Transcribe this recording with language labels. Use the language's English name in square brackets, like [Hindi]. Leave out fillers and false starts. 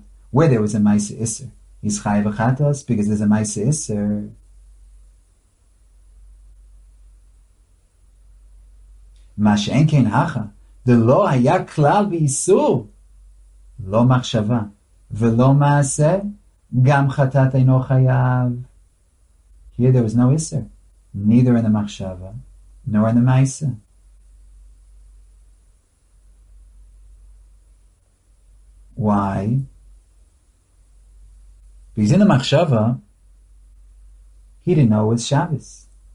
[English] Where there was a Maisa Isser, he's Chayav Chatas because there's a Maisa Isser. [Hebrew] מה שאין כן הכה, זה לא היה כלל באיסור. לא מחשבה, ולא מעשה, גם חטאת אינו חייב. [English] Here there was no איסור, neither in the מחשבה, nor in the מעשה. Why? Because in the מחשבה, he didn't know it was Shabbos.